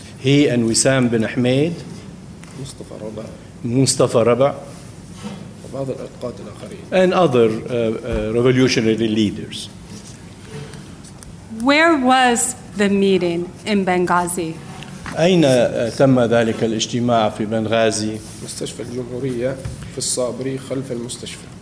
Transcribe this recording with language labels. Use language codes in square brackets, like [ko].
[en] He and [ar] وسام بن حميد. مصطفى ربع. مصطفى ربع. وبعض القادة الآخرين. [en] And other revolutionary leaders. Where was the meeting in Benghazi? [ar] أين تم ذلك الاجتماع في بنغازي؟ مستشفى الجمهورية في الصابري خلف المستشفى.